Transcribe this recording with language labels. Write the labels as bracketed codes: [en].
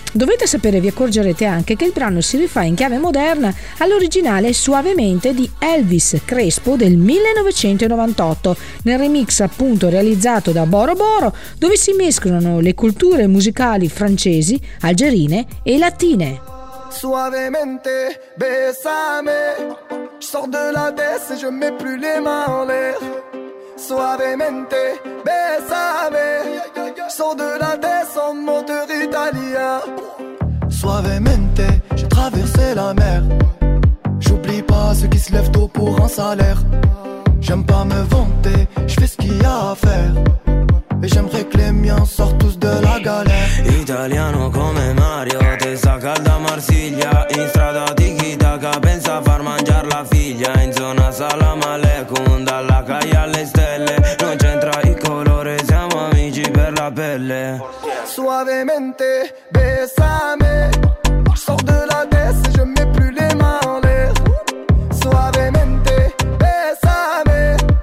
[it] Dovete sapere, vi accorgerete anche, che il brano si rifà in chiave moderna all'originale Suavemente di Elvis Crespo del 1998, nel remix appunto realizzato da Boro Boro, dove si mescolano le culture musicali francesi, algerine e latine. [es] Suavemente, besame, [fr] sors de la tête, je mets plus les mains en l'air. [es] Suavemente, besame, [fr] sors de la tête, on monte Italia. Suavemente, j'ai traversé la mer. J'oublie pas ceux qui se lèvent tôt pour un salaire. J'aime pas me vanter, je fais ce qu'il y a à faire. Et j'aimerais que les miens sortent tous de la galère. [it] Italiano come Mario, te sacca da Marsiglia. In strada di Chitaca pensa a far mangiare la figlia. In zona Salam Aleikum, dalla calle alle stelle. Non c'entra il colore, siamo amici per la pelle. [es] Suavemente, besame. [fr] Sors de la tête, je mets plus les mains en l'air. [es] Suavemente, besame.